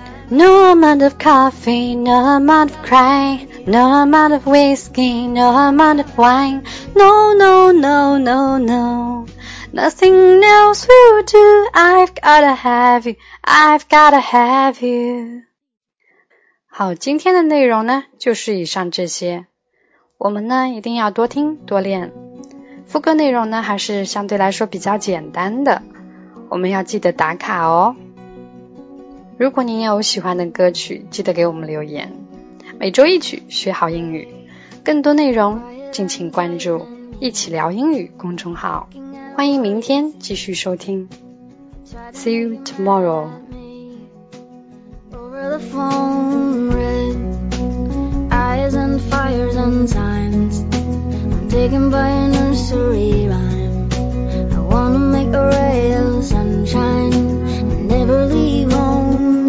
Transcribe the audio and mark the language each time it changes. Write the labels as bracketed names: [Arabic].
[English] No amount of coffee, no amount of crying, no amount of whiskey, no amount of wine. No, no, no, no, no, nothing else will do. I've gotta have you, I've gotta have you. [Chinese] 好，今天的内容呢就是以上这些。我们呢一定要多听多练。副歌内容呢还是相对来说比较简单的，我们要记得打卡哦。如果您有喜欢的歌曲，记得给我们留言。每周一曲学好英语，更多内容敬请关注一起聊英语公众号，欢迎明天继续收听。 [English] See you tomorrow. Over the phoneAnd fires and signs, I'm taken by a nursery rhyme. I wanna make a ray of sunshine and never leave home.